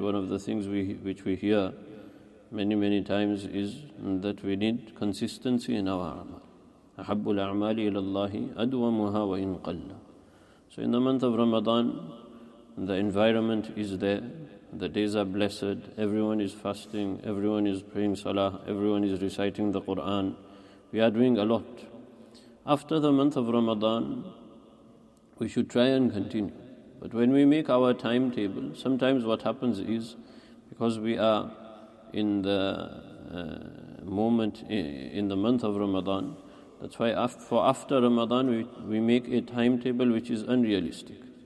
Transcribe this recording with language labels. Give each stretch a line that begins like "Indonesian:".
English: One of the things which we hear many, many times is that we need consistency in our amal.
Arabic: أحب الأعمال إلى الله أدومها وإن قل.
English: So in the month of Ramadan, the environment is there, the days are blessed, everyone is fasting, everyone is praying salah, everyone is reciting the Quran. We are doing a lot. After the month of Ramadan, we should try and continue. But when we make our timetable, sometimes what happens is, because we are in the moment in the month of Ramadan, that's why after Ramadan we make a timetable which is unrealistic.